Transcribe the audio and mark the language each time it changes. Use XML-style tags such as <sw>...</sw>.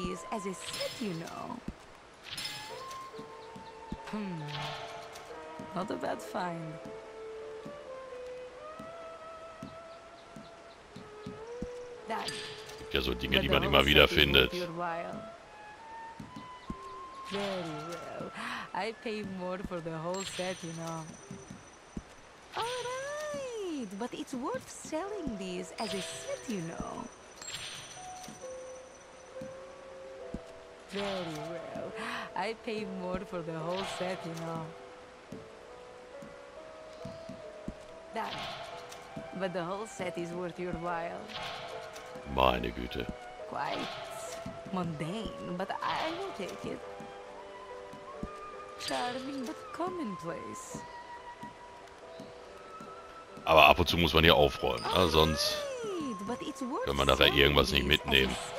<en>As a set, you know. Not a bad find.</en> <de>Es gibt ja so Dinge, die man immer wieder findet.</de> <en>Very well. I pay more for the whole set, you know. All right, but it's worth selling these as a set, you know. Very well. I pay more for the whole set, you know. That. But the whole set is worth your while.</en> <de>Meine Güte.</de> <en>Quite mundane, but I will take it. Charming, but commonplace.</en> <de>Aber ab und zu muss man hier aufräumen, ne? Sonst kann man nachher irgendwas nicht mitnehmen.</de>